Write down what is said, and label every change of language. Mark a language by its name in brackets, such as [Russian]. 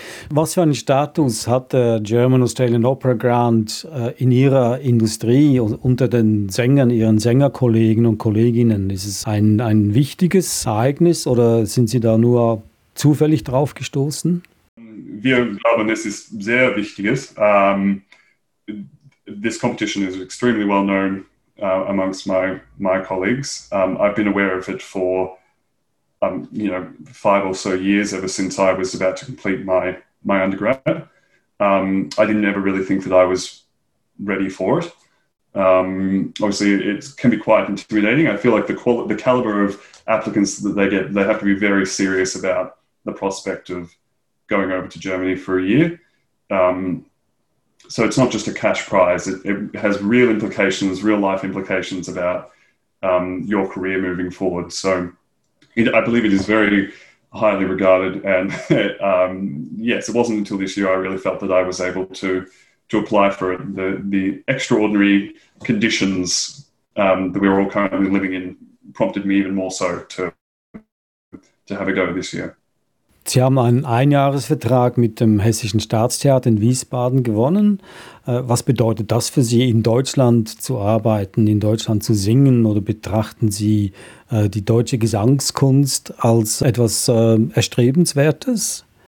[German] Was für einen Status hat der German Australian Opera Grant in Ihrer Industrie, unter den Sängern, Ihren Sängerkollegen und Kolleginnen? Ist es ein wichtiges Ereignis oder sind Sie da nur zufällig drauf gestoßen? Wir glauben, es ist sehr wichtiges. [English] This competition is extremely well known amongst my colleagues. I've been aware of it for five or so years, ever since I was about to complete my undergrad. I didn't ever really think that I was ready for it. Obviously, it can be quite intimidating. I feel like the caliber of applicants that they get, they have to be very serious about the prospect of going over to Germany for a year. So it's not just a cash prize. It has real implications, real life implications about your career moving forward. So I believe it is very highly regarded, and yes, it wasn't until this year I really felt that I was able to apply for it. The extraordinary conditions that we're all currently living in prompted me even more so to have a go this year. [German] Sie haben einen Einjahresvertrag mit dem Hessischen Staatstheater in Wiesbaden gewonnen. Was bedeutet das für Sie, in Deutschland zu arbeiten, in Deutschland zu singen? Oder betrachten Sie die deutsche Gesangskunst als etwas Erstrebenswertes?